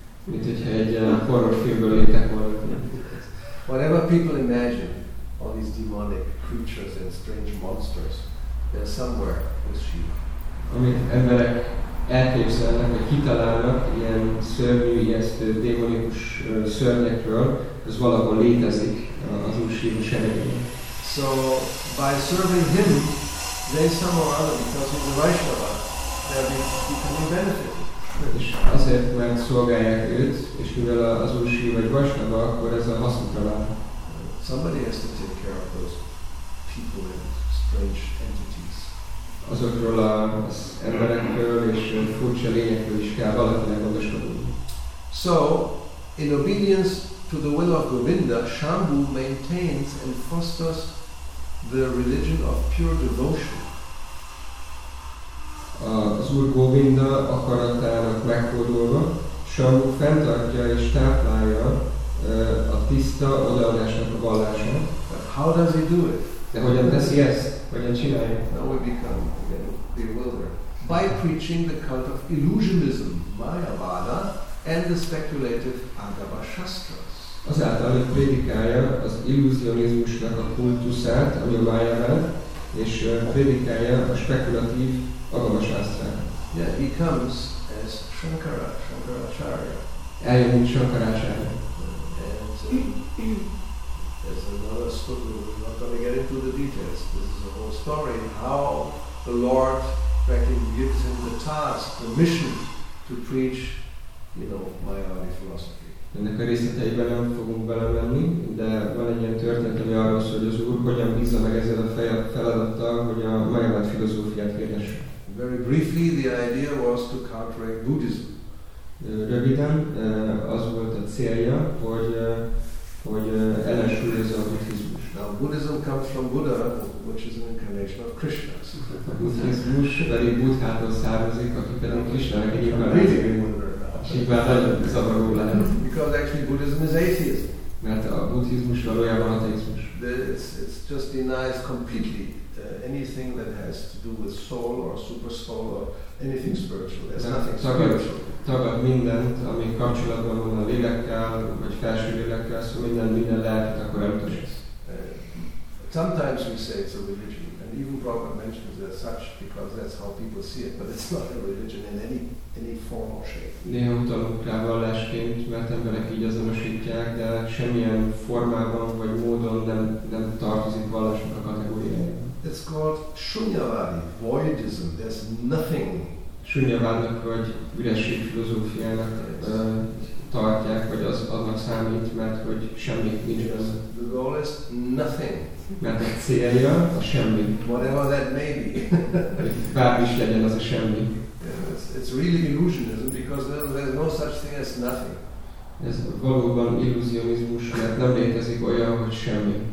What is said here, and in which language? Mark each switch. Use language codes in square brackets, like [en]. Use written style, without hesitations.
[hu] Mint hogyha egy horror filmből léptek volna. [en] Whatever people imagine, all these demonic creatures and strange monsters, they're somewhere with Shiva. [hu] Amit emberek elképzelnek, vagy kitalálnak ilyen szörnyű, ijesztő, démonikus szörnyekről, az valahol létezik az Úr Shiva seregében. [en] So, by serving him, they somehow other, because he's a Vaishnava, they're becoming benefited. [hu] És azért, mert szolgálják őt, és mivel az Úr Shiva egy Vaishnava, akkor ez a hasznukra vár. [en] Somebody has to take care of those people and strange entities. [hu] Azokról az emberekről és furcsa lényekről is kell valakinek gondoskodni. [en] So, in obedience to the will of Govinda, Shambhu maintains and fosters the religion of pure devotion. [hu] Az Úr Govinda akaratának meghódolva, Shambhu fenntartja és táplálja a tiszta odaadásnak a vallásnak. [en] But how does he do it? [hu] De hogyan teszi ezt? Hogyan csinálja? [en] Now we become bewildered. By preaching the cult of illusionism, Mayavada, and the speculative Agava Shastras. [hu] Azáltal, hogy prédikálja az illuzionizmusnak a kultuszát, ami a Mayavad, és prédikálja a spekulatív Agava Shastrát. [en] Yeah, he comes as Shankara, Shankaracharya. [hu] Eljön, mint Shankaracharya. [en] There's another story, we're not going to get into the details. This is a whole story, how the Lord practically gives him the task, the mission to preach, you know, Mayavadi philosophy. [hu] Ennek a részleteiben nem fogunk belemenni, de van egy ilyen történet, ami arról szól, hogy az Úr hogyan bízza meg ezzel a feladattal, hogy a Mayavadi filozófiát kérdesse. [en] Very briefly, the idea was to counteract Buddhism. [hu] Röviden, az volt a célja, hogy ellensúlyozza a buddhizmus. [en] Now, Buddhism comes from Buddha, which is an incarnation of Krishna. [hu] A buddhizmus pedig Buddhától származik, aki pedig Krishna-nak egy inkarnáció. [en] Because actually Buddhism is atheism. [hu] Mert a buddhizmus valójában ateizmus. [en] It's just denies completely anything that has to do with soul or super soul or anything spiritual. There's nothing spiritual. [hu] Tagad mindent, ami kapcsolatban van a lélekkel, vagy felső lélekkel, szóval minden lehet, akkor elutasítsz. [en] Sometimes we say it's a religion, and even Prabhupada mentions it as such, because that's how people see it, but it's not a religion in any form or shape. [hu] Néha utalunk rá vallásként, mert emberek így azonosítják, de semmilyen formában vagy módon nem tartozik vallásnak a kategóriájába. [en] It's called Shunyavadi, voidism, there's nothing. [hu] Shunyavadnak vagy üresség filozófiának tartják, vagy az annak számít, mert hogy semmi nincs benne. [en] The goal is nothing. [hu] Mert a célja a semmi. [en] Whatever that may be. [hu] Bármi is legyen, az a semmi. [en] It's really illusionism, because there's no such thing as nothing. [hu] Ez valóban illuzionizmus, mert nem létezik olyan, hogy semmi.